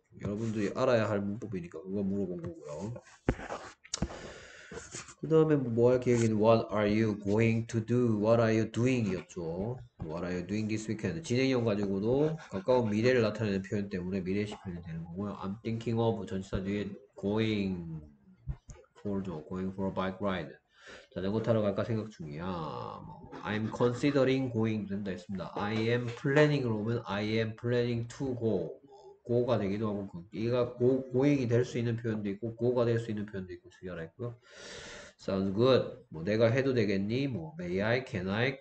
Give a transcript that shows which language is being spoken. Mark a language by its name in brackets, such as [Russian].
[Korean] 여러분들이 알아야 할 문법이니까 그거 물어본 거고요. 그 다음에 뭐할 계획인 [English] What are you going to do? What are you doing이었죠. What are you doing this weekend? [Korean] 진행형 가지고도 가까운 미래를 나타내는 표현 때문에 미래시 표현이 되는 거고요. [English] I'm thinking of [Korean] 전치사 뒤에 [English] going for a bike ride. [Korean] 자전거 타러 갈까 생각 중이야. [English] I'm considering going [Korean] 된다 했습니다. [English] I am planning으로 오면 I am planning to go. [Korean] 고가 되기도 하고 얘가 고잉이 될수 있는 표현도 있고 고가 될수 있는 표현도 있고 두 개나 있고요. [English] Sounds good. [Korean] 뭐 내가 해도 되겠니? [English] 뭐 May I? Can I?